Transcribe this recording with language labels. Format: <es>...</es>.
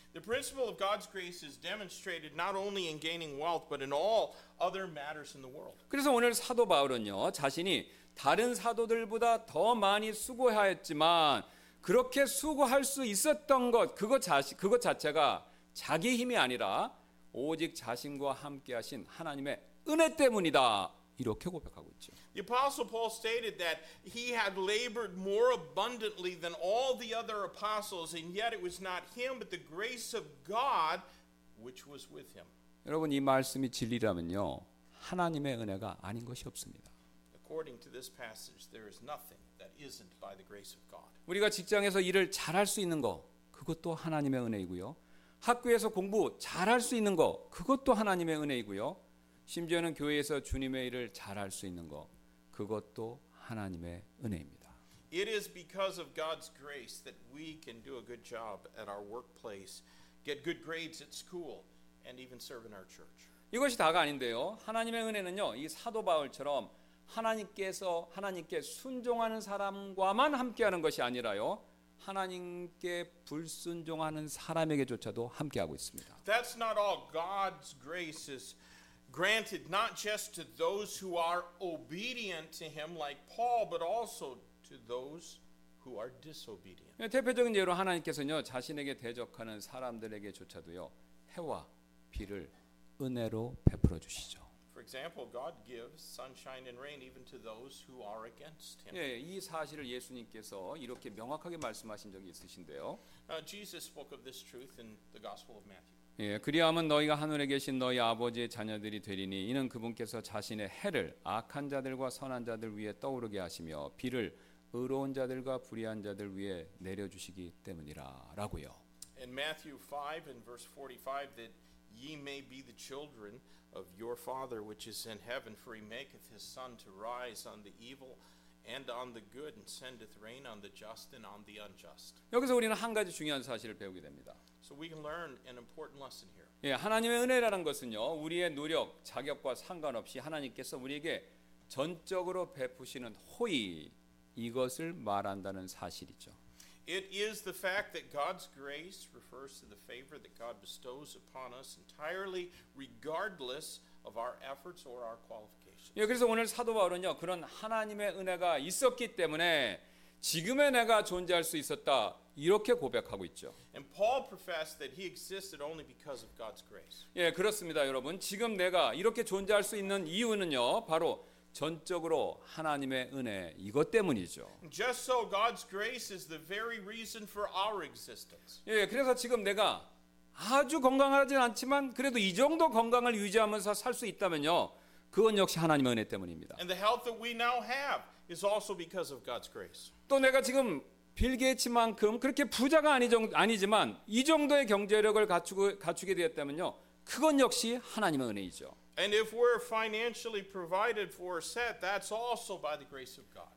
<en>The principle of God's grace is demonstrated not only in gaining wealth but in all other matters in the world.</en> <ko>그래서 오늘 사도 바울은요. 자신이 다른 사도들보다 더 많이 수고하였지만 그렇게 수고할 수 있었던 것 그것 자체가 자기 힘이 아니라 오직 자신과 함께 하신 하나님의 은혜 때문이다 이렇게 고백하고 있죠.</ko> <en>The apostle Paul stated that he had labored more abundantly than all the other apostles and yet it was not him but the grace of God which was with him.</en> <ko>여러분 이 말씀이 진리라면요. 하나님의 은혜가 아닌 것이 없습니다.</ko> <en>According to this passage, there is nothing that isn't by the grace of God.</en> <ko>우리가 직장에서 일을 잘할 수 있는 거, 그것도 하나님의 은혜이고요. 학교에서 공부 잘할 수 있는 거, 그것도 하나님의 은혜이고요. 심지어는 교회에서 주님의 일을 잘할 수 있는 거, 그것도 하나님의 은혜입니다.</ko> <en>It is because of God's grace that we can do a good job at our workplace, get good grades at school, and even serve in our church.</en> <ko>이것이 다가 아닌데요. 하나님의 은혜는요, 이 사도 바울처럼 하나님께 순종하는 사람과만 함께하는 것이 아니라요, 하나님께 불순종하는 사람에게조차도 함께하고 있습니다.</ko> <en>That's not all. God's grace is granted not just to those who are obedient to him like Paul, but also to those who are disobedient.</en> <ko>대표적인 예로 하나님께서는요, 자신에게 대적하는 사람들에게조차도요, 해와 비를 은혜로 베풀어 주시죠.</ko> <en>For example, God gives sunshine and rain even to those who are against him.</en> <ko>예, 이 사실을 예수님께서 이렇게 명확하게 말씀하신 적이 있으신데요.</ko> <en>Jesus spoke of this truth in the Gospel of Matthew.</en> <ko>예, 그리하면 너희가 하늘에 계신 너희 아버지의 자녀들이 되리니 이는 그분께서 자신의 해를 악한 자들과 선한 자들 위에 떠오르게 하시며 비를 의로운 자들과 불의한 자들 위에 내려주시기 때문이라라고요.</ko> <en>In Matthew 5 and verse 45 that ye may be the children of your Father which is in heaven, for he maketh his sun to rise on the evil and on the good and sendeth rain on the just and on the unjust.</en> <ko>여기서 우리는 한 가지 중요한 사실을 배우게 됩니다.</ko> <en>So we can learn an important lesson here.</en> <ko>예, 하나님의 은혜라는 것은요, 우리의 노력, 자격과 상관없이 하나님께서 우리에게 전적으로 베푸시는 호의, 이것을 말한다는 사실이죠.</ko> <en>It is the fact that God's grace refers to the favor that God bestows upon us entirely regardless of our efforts or our qualifications.</en> <ko>예, 그래서 오늘 사도 바울은요, 그런 하나님의 은혜가 있었기 때문에 지금의 내가 존재할 수 있었다, 이렇게 고백하고 있죠.</ko> <en>And Paul professed that he existed only because of God's grace.</en> <ko>예, 그렇습니다, 여러분. 지금 내가 이렇게 존재할 수 있는 이유는요, 바로 전적으로 하나님의 은혜, 이것 때문이죠.</ko> <en>Just so God's grace is the very reason for our existence.</en> <ko>예, 그래서 지금 내가 아주 건강하진 않지만 그래도 이 정도 건강을 유지하면서 살 수 있다면요, 그건 역시 하나님의 은혜 때문입니다.</ko> <en>And the health that we now have is also because of God's grace.</en> <ko>또 내가 지금 빌 게이츠만큼 그렇게 부자가 아니지만 이 정도의 경제력을 갖추게 되었다면요, 그건 역시 하나님의 은혜이죠.</ko> <en>And if we're financially provided for set, that's also by the grace of God.</en>